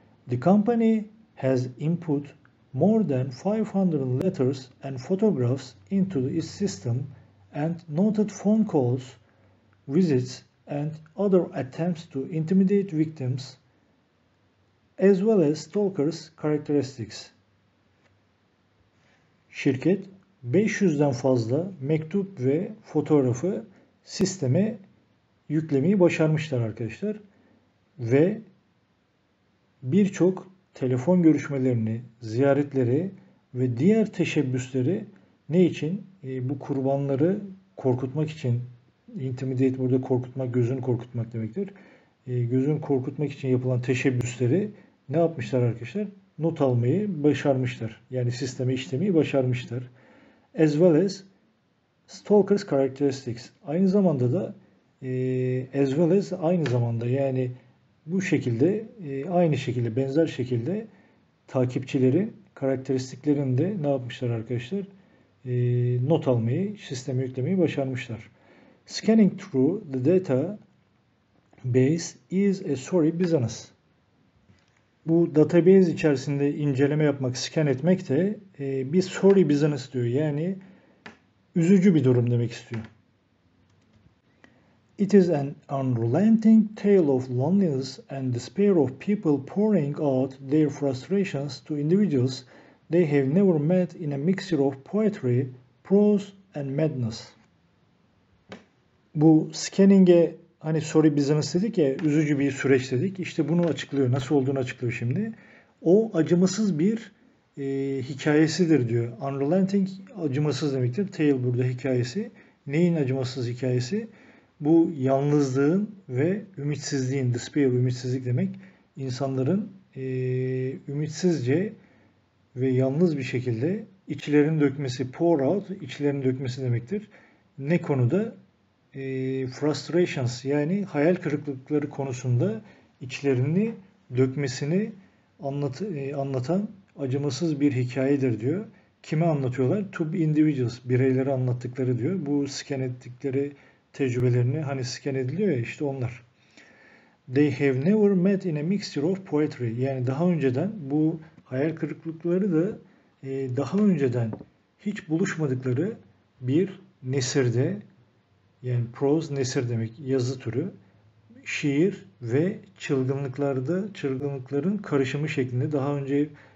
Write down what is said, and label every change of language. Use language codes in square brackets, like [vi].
[en] The company has input more than 500 letters and photographs into its system and noted phone calls, visits and other attempts to intimidate victims as well as stalkers characteristics. [tr] Şirket 500'den fazla mektup ve fotoğrafı sisteme yüklemeyi başarmışlar arkadaşlar ve birçok telefon görüşmelerini, ziyaretleri ve diğer teşebbüsleri ne için? Bu kurbanları korkutmak için, intimidate burada korkutmak, gözünü korkutmak demektir. Gözünü korkutmak için yapılan teşebbüsleri ne yapmışlar arkadaşlar? Not almayı başarmışlar. Yani sisteme işlemeyi başarmışlar. As well as stalker's characteristics. Aynı zamanda da as well as aynı zamanda yani bu şekilde aynı şekilde benzer şekilde takipçilerin karakteristiklerini de ne yapmışlar arkadaşlar? Not almayı, sisteme yüklemeyi başarmışlar. [en] Scanning through the data base is a sorry business. [tr] Bu database içerisinde inceleme yapmak, scan etmek de bir sorry business diyor. Yani üzücü bir durum demek istiyor. [en] It is an unrelenting tale of loneliness and despair of people pouring out their frustrations to individuals they have never met in a mixture of poetry, prose and madness. [tr] Bu scanning'e hani sorry business dedik ya, üzücü bir süreç dedik. İşte bunu açıklıyor. Nasıl olduğunu açıklıyor şimdi. O acımasız bir hikayesidir diyor. Unrelenting acımasız demektir. Tale burada hikayesi. Neyin acımasız hikayesi? Bu yalnızlığın ve ümitsizliğin, despair, ümitsizlik demek, insanların ümitsizce ve yalnız bir şekilde içlerini dökmesi, pour out, içlerini dökmesi demektir. Ne konuda? Frustrations, yani hayal kırıklıkları konusunda içlerini dökmesini anlatan acımasız bir hikayedir diyor. Kime anlatıyorlar? To individuals, bireylere anlattıkları diyor. Bu scan ettikleri tecrübelerini hani scan ediliyor ya işte onlar. [en] They have never met in a mixture of poetry. [tr] Yani daha önceden bu hayal kırıklıkları da daha önceden hiç buluşmadıkları bir nesirde yani proz nesir demek yazı türü şiir ve çılgınlıkların karışımı şeklinde daha önce